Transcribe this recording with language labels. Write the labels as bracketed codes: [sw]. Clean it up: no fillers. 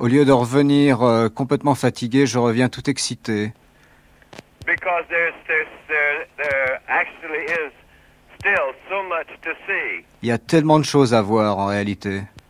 [fr] au lieu de revenir complètement fatigué, je reviens tout excité. [en] Because there actually is still so much to see. [fr] Il y a tellement de choses à voir en réalité.